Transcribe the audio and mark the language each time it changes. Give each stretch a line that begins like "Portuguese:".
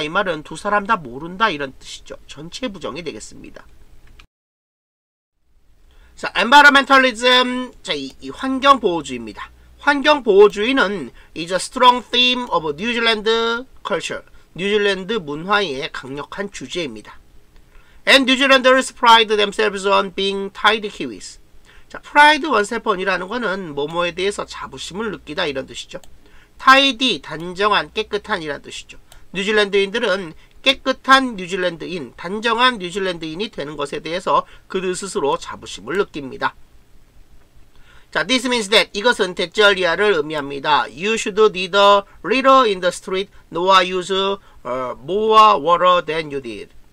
Korean: 이 말은 두 사람 다 모른다 이런 뜻이죠. 전체 부정이 되겠습니다.
English: 자, environmentalism.
Korean: 자, 이 환경보호주의입니다. 환경보호주의는
English: is a strong theme of New Zealand culture.
Korean: 뉴질랜드 문화의 강력한 주제입니다.
English: And New Zealanders pride themselves on being tidy Kiwis.
Korean: 자, pride oneself on이라는 거는 뭐뭐에 대해서 자부심을 느끼다 이런 뜻이죠. Tidy, 단정한, 깨끗한이라는 뜻이죠. 뉴질랜드인들은 깨끗한 뉴질랜드인, 단정한 뉴질랜드인이 되는 것에 대해서 그들 스스로 자부심을 느낍니다. 자,
English: this means that
Korean: 이것은 대절 이하를 의미합니다.
English: You should neither litter in the street nor use more water than you did.